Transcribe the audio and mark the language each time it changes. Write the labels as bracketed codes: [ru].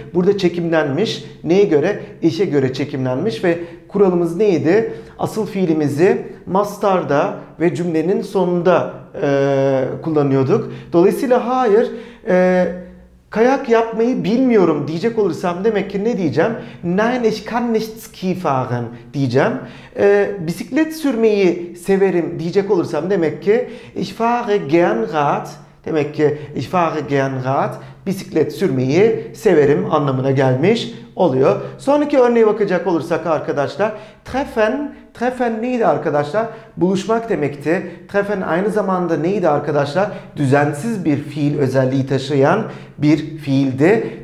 [tr] Burada çekimlenmiş. Neye göre? İşe göre çekimlenmiş ve kuralımız neydi? Asıl fiilimizi mastarda ve cümlenin sonunda kullanıyorduk. Dolayısıyla hayır, kayak yapmayı bilmiyorum diyecek olursam demek ki ne diyeceğim? [de] Nein, ich kann nicht Ski fahren [tr] diyeceğim. Bisiklet sürmeyi severim diyecek olursam demek ki [de] ich fahre gern Rad. [tr] Demek ki [de] ich fahre gern Rad. [tr] Bisiklet sürmeyi severim anlamına gelmiş oluyor. Sonraki örneğe bakacak olursak arkadaşlar, treffen, treffen neydi arkadaşlar? Buluşmak demekti. Treffen aynı zamanda neydi arkadaşlar? Düzensiz bir fiil özelliği taşıyan bir fiildi.